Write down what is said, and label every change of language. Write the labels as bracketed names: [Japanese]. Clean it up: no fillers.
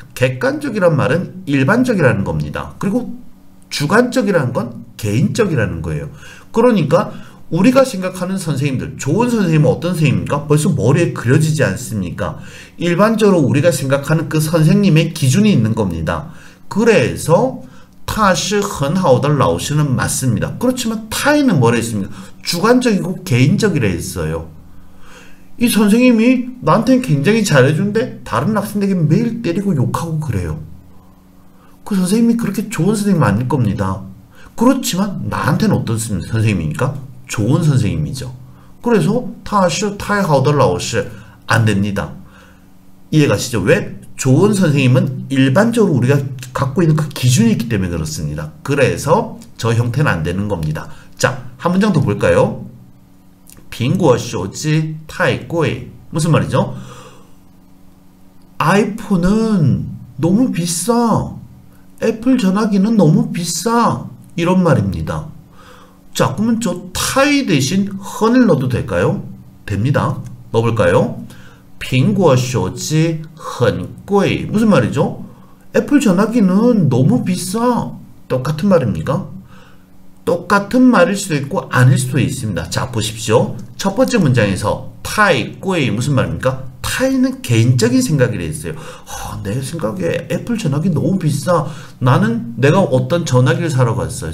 [Korean] 객관적이란 말은 일반적이라는 겁니다. 그리고 주관적이라는 건 개인적이라는 거예요. 그러니까 우리가 생각하는 선생님들, 좋은 선생님은 어떤 선생님입니까? 벌써 머리에 그려지지 않습니까? 일반적으로 우리가 생각하는 그 선생님의 기준이 있는 겁니다. 그래서 [Chinese] 他是很好的老师 [Korean] 는 맞습니다. 그렇지만 타인은 뭐라 했습니까? 주관적이고 개인적이라 했어요. 이 선생님이 나한테는 굉장히 잘해주는데 다른 학생들에게 매일 때리고 욕하고 그래요. 그 선생님이 그렇게 좋은 선생님 아닐 겁니다. 그렇지만 나한테는 어떤 선생님입니까? 좋은 선생님이죠. 그래서 [Chinese] 他是太好的老师 [Korean] 안 됩니다. 이해가시죠? 왜? 좋은 선생님은 일반적으로 우리가 갖고 있는 그 기준이 있기 때문에 그렇습니다. 그래서 저 형태는 안 되는 겁니다. 자, 한 문장 더 볼까요? [Chinese] 苹果手机 太贵 [Korean] 무슨 말이죠? 아이폰은 너무 비싸. 애플 전화기는 너무 비싸. 이런 말입니다. 자, 그러면 저 타이 대신 헌을 넣어도 될까요? 됩니다. 넣어볼까요? [Chinese] 苹果手机很贵 [Korean] 무슨 말이죠? 애플 전화기는 너무 비싸. 똑같은 말입니까? 똑같은 말일 수도 있고 아닐 수도 있습니다. 자, 보십시오. 첫 번째 문장에서 타이 꼬이 무슨 말입니까? 타이는 개인적인 생각이 있어요. 내 생각에 애플 전화기 너무 비싸. 나는 내가 어떤 전화기를 사러 갔어요.